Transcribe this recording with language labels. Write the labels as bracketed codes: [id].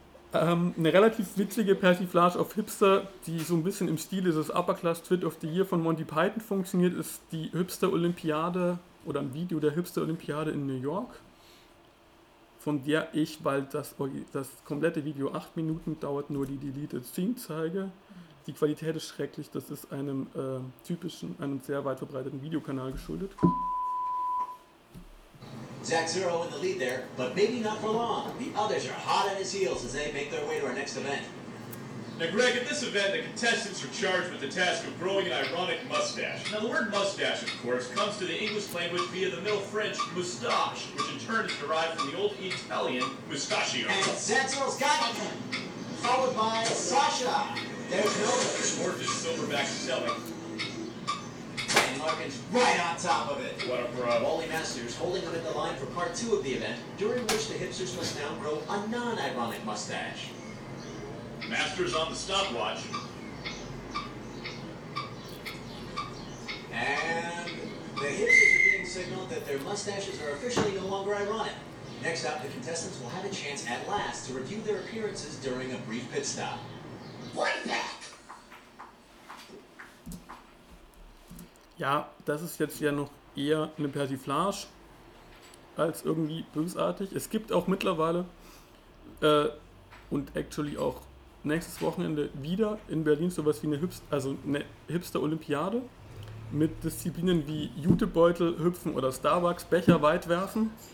[de] Eine relativ witzige Persiflage auf Hipster, die so ein bisschen im Stil dieses Upper Class Twit of the Year von Monty Python funktioniert, ist die Hipster-Olympiade oder ein Video der Hipster-Olympiade in New York, von der ich, weil das komplette Video 8 Minuten dauert, nur die Deleted Scene zeige. Die Qualität ist schrecklich, das ist einem typischen, einem sehr weit verbreiteten Videokanal geschuldet. [en] Zach Zero in the lead there, but maybe not for long. The others are hot on his heels as they make their way to our next event. Now, Greg, at this event, the contestants are charged with the task of growing an ironic mustache. Now, the word mustache, of course, comes to the English language via the Middle French moustache, which in turn is derived from the old Italian mustachio. And Zach Zero's got it, followed by Sasha. There's no gorgeous silverback selling. And Larkin's right on top of it. What a problem. Wally Masters holding him at the line for part two of the event, during which the hipsters must now grow a non-ironic mustache. Masters on the stopwatch. And the hipsters are being signaled that their mustaches are officially no longer ironic. Next up, the contestants will have a chance at last to review their appearances during a brief pit stop. Right back! [de] Ja, das ist jetzt ja noch eher eine Persiflage als irgendwie bösartig. Es gibt auch mittlerweile und actually auch nächstes Wochenende wieder in Berlin sowas wie eine Hipster-Olympiade mit Disziplinen wie Jutebeutel hüpfen oder Starbucks Becher weit werfen.